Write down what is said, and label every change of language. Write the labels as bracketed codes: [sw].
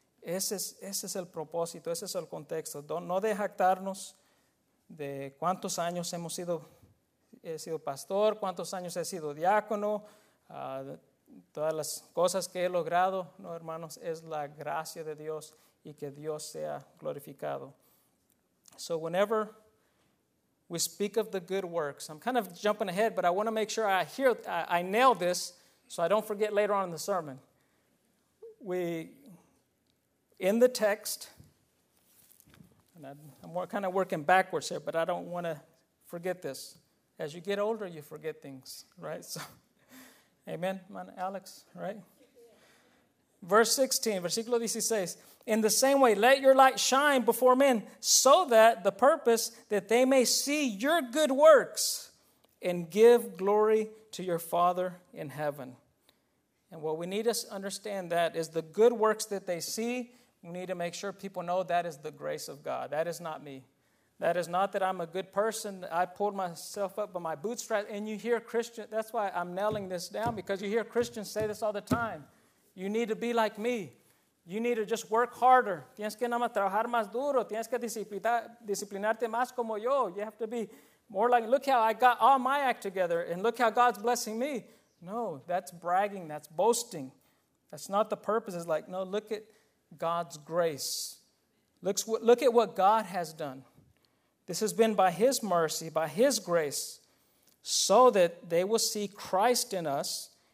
[es] Ese es el propósito, ese es el contexto. No de jactarnos de cuántos años he sido pastor, cuántos años he sido diácono, todas las cosas que he logrado. No, hermanos, es la gracia de Dios y que Dios sea glorificado. [en] So whenever we speak of the good works, I'm kind of jumping ahead, but I want to make sure I nail this so I don't forget later on in the sermon. In the text, and I'm kind of working backwards here, but I don't want to forget this. As you get older, you forget things, right? So, amen, man, Alex, right? Verse 16, versículo 16. In the same way, let your light shine before men so that the purpose that they may see your good works and give glory to your Father in heaven. And what we need to understand that is the good works that they see, we need to make sure people know that is the grace of God. That is not me. That is not that I'm a good person. I pulled myself up by my bootstraps. And you hear Christians, that's why I'm nailing this down, because you hear Christians say this all the time. You need to be like me. You need to just work harder. [es] Tienes que trabajar más duro. Tienes que disciplinarte más como yo. [en] You have to be more like, look how I got all my act together and look how God's blessing me. No, that's bragging. That's boasting. That's not the purpose. It's like, no, look at God's grace. Look at what God has done. This has been by his mercy, by his grace, so that they will see Christ in us.